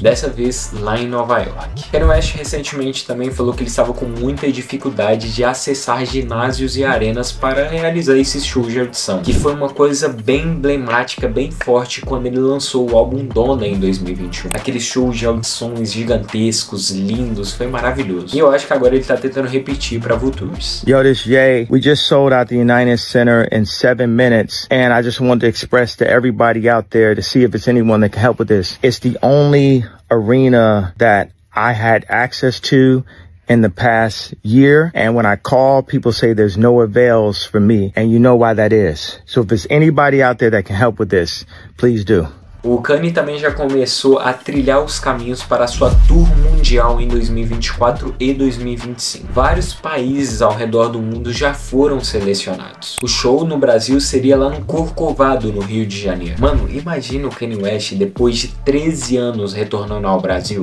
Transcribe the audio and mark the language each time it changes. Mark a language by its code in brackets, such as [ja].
[pt] Dessa vez, lá em Nova York. Kanye West recentemente também falou que ele estava com muita dificuldade de acessar ginásios e arenas para realizar esses shows de audição, que foi uma coisa bem emblemática, bem forte, quando ele lançou o álbum Donda em 2021. Aqueles shows de audições gigantescos, lindos, foi maravilhoso. E eu acho que agora ele está tentando repetir para Vultures. [en] Yo, this is Ye. We just sold out the United Center in 7 minutes, and I just want to express to everybody out there to see if it's anyone that can help with this. It's the only arena that I had access to in the past year, and when I call, people say there's no avails for me, and you know why that is. So if there's anybody out there that can help with this, please do. [pt] O Kanye também já começou a trilhar os caminhos para a sua tour mundial em 2024 e 2025. Vários países ao redor do mundo já foram selecionados. O show no Brasil seria lá no Corcovado, no Rio de Janeiro. Mano, imagina o Kanye West depois de 13 anos retornando ao Brasil.